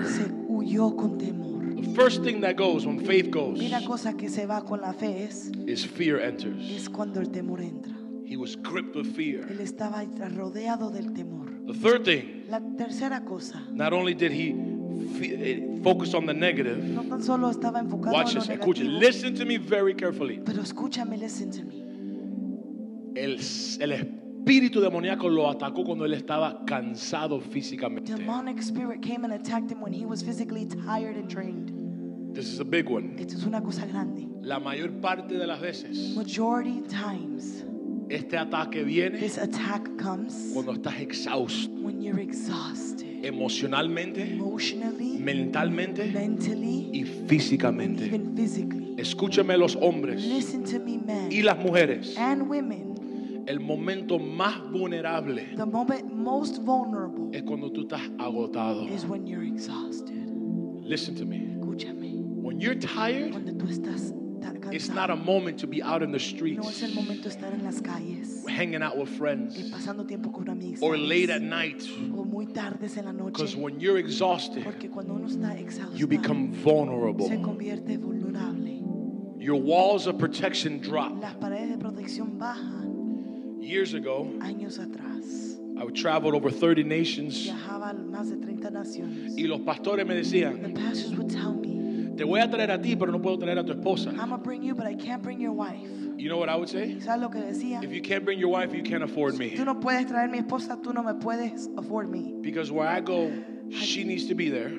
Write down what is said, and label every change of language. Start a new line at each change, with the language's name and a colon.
English: The first thing that goes when faith goes is fear enters. He was gripped with fear. The third thing, not only did he focus on the negative, watch this,
Spanish: escuche,
English: listen to me very carefully.
Spanish: Pero escúchame,
English: listen to me.
Spanish: El espíritu demoníaco lo atacó cuando él estaba cansado físicamente.
English: Demonic spirit came and attacked him when he was physically tired and drained. This is a big one.
Spanish: Esto es una cosa grande. La mayor parte de las veces,
English: majority times,
Spanish: este ataque viene,
English: this attack comes,
Spanish: cuando estás exhausto,
English: when you're exhausted,
Spanish: emocionalmente,
English: emotionally,
Spanish: mentalmente,
English: mentally,
Spanish: y físicamente.
English: Even physically.
Spanish: Escúchame los hombres,
English: listen to me, men,
Spanish: y las mujeres,
English: and women,
Spanish: el momento más vulnerable,
English: the moment most vulnerable,
Spanish: es cuando tú estás agotado,
English: is when you're exhausted. Listen to me.
Spanish: Escúchame.
English: When you're tired,
Spanish: cuando tú estás,
English: it's not a moment to be out in the streets,
Spanish: no es el momento de estar en las calles,
English: hanging out with friends,
Spanish: y pasando tiempo con amigos,
English: or late at night,
Spanish: o muy tardes en la noche,
English: because when you're exhausted,
Spanish: porque cuando uno está exhausto,
English: you become vulnerable.
Spanish: Se convierte vulnerable.
English: Your walls of protection drop.
Spanish: Las paredes de protección bajan.
English: Years ago,
Spanish: años atrás,
English: I traveled over 30 nations,
Spanish: viajaba más de 30 naciones, y los pastores me decían,
English: the pastors would tell me,
Spanish: te voy a traer a ti, pero no puedo traer a tu esposa.
English: I'm gonna bring you, but I can't bring your wife. You know what I would say?
Spanish: ¿Sabes lo que decía?
English: If you can't bring your wife, you can't afford me.
Spanish: Si tú no puedes traer mi esposa, tú no me puedes
English: afford me. Because where I go, she needs to be there.